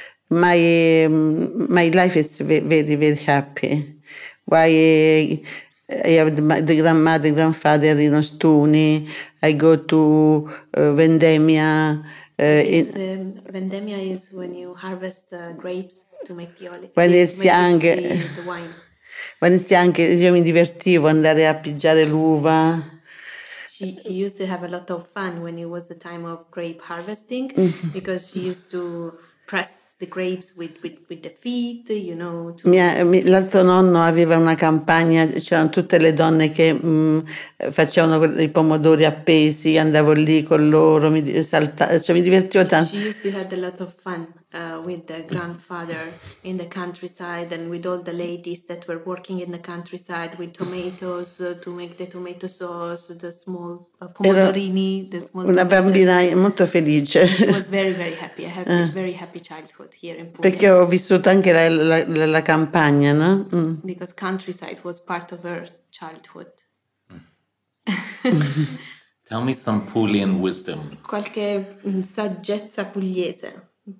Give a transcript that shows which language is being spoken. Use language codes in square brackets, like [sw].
[en] My life is very, very happy. Why I have the grandmother, grandfather in Ostuni. I go to Vendemia. Vendemia is when you harvest grapes to make the olive. When it's young. The wine. When it's young, [it] io mi divertivo andare a pigiare l'uva. [en] She used to have a lot of fun when it was the time of grape harvesting because she used to press the grapes with the feet, you know. [it] L'altro nonno aveva una campagna, c'erano tutte le donne che facevano i pomodori appesi, andavo lì con loro, mi divertivo tanto. [en] She used to have a lot of fun with the grandfather in the countryside and with all the ladies that were working in the countryside with tomatoes to make the tomato sauce, the small pomodorini. [it] Bambina molto felice. [en] She was very, very happy. I had a very happy childhood here in Puglia. [it] Perché ho vissuto anche la campagna, no? [en] Because countryside was part of her childhood. Tell me some Puglian wisdom. [it] Qualche saggezza pugliese.